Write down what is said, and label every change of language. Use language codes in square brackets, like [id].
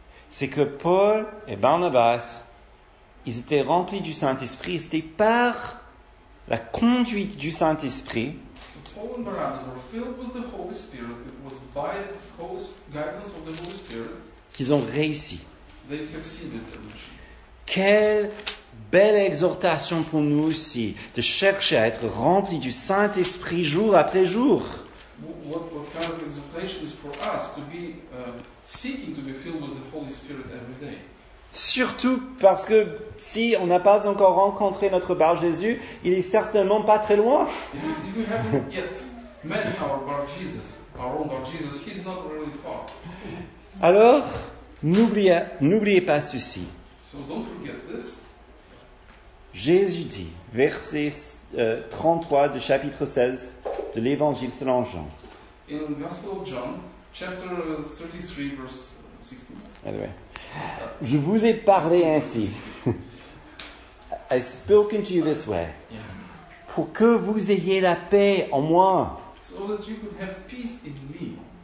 [fr] C'est que Paul et Barnabas, ils étaient remplis du Saint-Esprit. C'était par la conduite du Saint-Esprit. [en] Paul and Barnabas were filled with the Holy Spirit. It was by the guidance of the Holy Spirit. [fr] Qu'ils ont réussi. [en] They succeeded. [fr] Quelle belle exhortation pour nous aussi de chercher à être remplis du Saint-Esprit jour après jour. [en] What kind of exhortation is for us to be seeking to be filled with the Holy Spirit every day. [fr] Surtout parce que si on n'a pas encore rencontré notre bar Jésus, il est certainement pas très loin. [en] If we haven't yet met our bar Jesus, our own bar Jesus, he's not really far. [fr] Alors, n'oubliez pas ceci. [en] So don't forget this. [fr] Jésus dit, verset 33 de chapitre 16 de l'Évangile selon Jean. [en] In the Gospel of John, chapter 33, verse 16. Anyway. [fr] Je vous ai parlé ainsi. [en] I've spoken to you this way. Yeah. [fr] Pour que vous ayez la paix en moi. [en] So that you could have peace in me.